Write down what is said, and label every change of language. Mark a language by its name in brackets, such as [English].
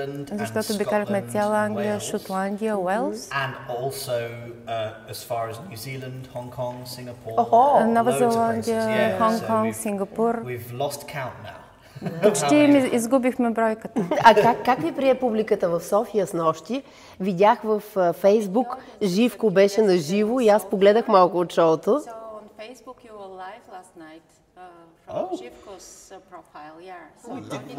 [Bulgarian] Защото обикаляхме цяла Англия, Шотландия, Уелс. [English] And also as far as New Zealand, Hong Kong, Singapore. [Bulgarian] Нова Зеландия, Хонг Конг, Сингапур. [English] We've lost count now. [Bulgarian] Почти изгубихме бройката. А как ви прие публиката в София снощи? Видях в Фейсбук, Живко беше на живо и аз погледах малко от шоуто. [English] So on Facebook you were live last night from Живко's profile. Yeah.